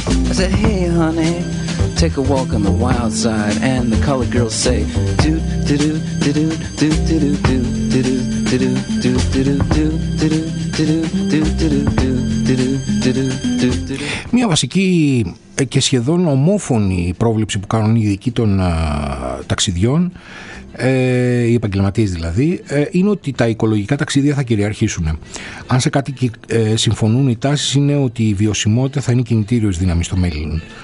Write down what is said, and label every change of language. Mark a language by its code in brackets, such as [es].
[en] I said, hey honey, take a walk on the wild side. And the colored girls say, do do do do do do do do do do do do do do do do do do do do do do do do do do do do do do do do. [el] Μια βασική και σχεδόν ομόφωνη πρόβλεψη που κάνουν οι ειδικοί των ταξιδιών, οι επαγγελματίες δηλαδή, είναι ότι τα οικολογικά ταξίδια θα κυριαρχήσουν. Αν σε κάτι συμφωνούν οι τάσεις, είναι ότι η βιωσιμότητα θα είναι κινητήριος δύναμη στο μέλλον.